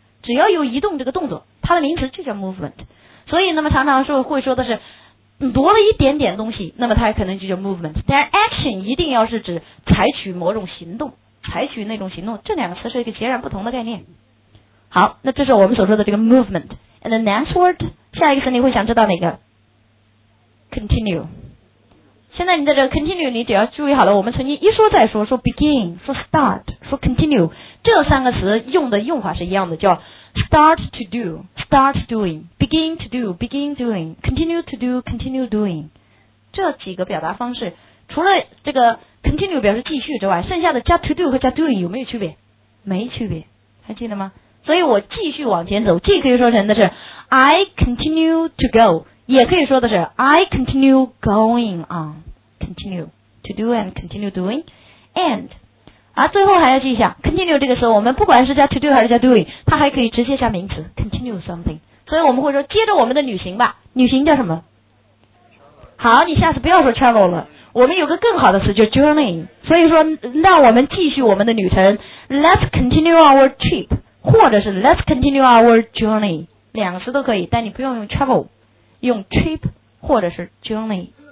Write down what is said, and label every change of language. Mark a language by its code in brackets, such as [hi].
[zh] 只要有移动这个动作，它的名词就叫 movement。所以那么常常是会说的是挪了一点点东西，那么它可能就叫 movement。但是 action 一定要是指采取某种行动，采取那种行动，这两个词是一个截然不同的概念。好，那这是我们所说的这个 movement。 [en] And the next word， [zh] 下一个词你会想知道哪个？ [en] continue。 [zh] 现在你在这个 continue， 你只要注意好了，我们曾经一说再说，说 begin， 说 start， 说 continue，这三个词用的用法是一样的，叫 start to do， start doing， begin to do， begin doing， continue to do， continue doing。这几个表达方式除了这个 continue 表示继续之外，剩下的加 to do 和加 doing 有没有区别？没区别，还记得吗？所以我继续往前走，既可以说成的是 [en] I continue to go， [zh] 也可以说的是 [en] I continue going on， continue to do and continue doing and。 [zh] 啊，最后还要记一下 continue 这个时候，我们不管是加 to do 还是加 doing， 它还可以直接加名词 continue something。所以我们会说接着我们的旅行吧，旅行叫什么？好，你下次不要说 travel 了，我们有个更好的词叫 journey。所以说让我们继续我们的旅程， [en] let's continue our trip， [zh] 或者是 [en] let's continue our journey， [zh] 两个词都可以，但你不用用 travel， 用 trip 或者是 journey。